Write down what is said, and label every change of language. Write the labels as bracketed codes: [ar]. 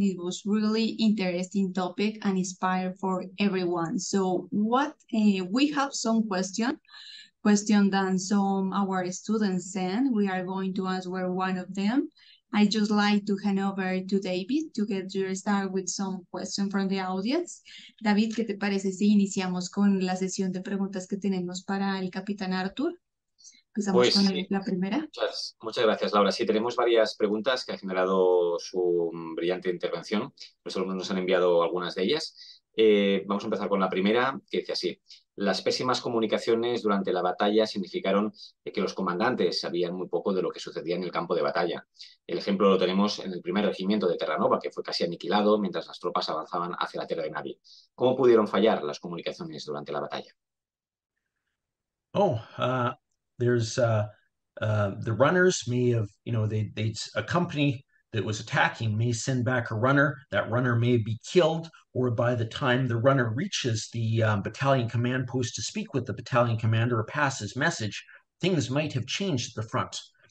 [en] It was really interesting topic and inspire for everyone. So what we have some question that some our students send. We are going to answer one of them. I just like to hand over to David to get your start with some questions from the audience. [es] David, ¿qué te parece si iniciamos con la sesión de preguntas que tenemos para el Capitán Arthur? Empezamos pues, con la primera. Muchas gracias, Laura. Sí, tenemos varias preguntas que ha generado su brillante intervención. Los alumnos nos han enviado algunas de ellas. Vamos a empezar con la primera, que dice así. Las pésimas comunicaciones durante la batalla significaron que los comandantes sabían muy poco de lo que sucedía en el campo de batalla. El ejemplo lo tenemos en el primer regimiento de Terranova, que fue casi aniquilado mientras las tropas avanzaban hacia la tierra de nadie. ¿Cómo pudieron fallar las comunicaciones durante la batalla? [en] Oh, the runners may have, they'd accompany that was attacking may send back a runner. That runner may be killed, or by the time the runner reaches the battalion command post to speak with the battalion commander or pass his message, things might have changed at the front.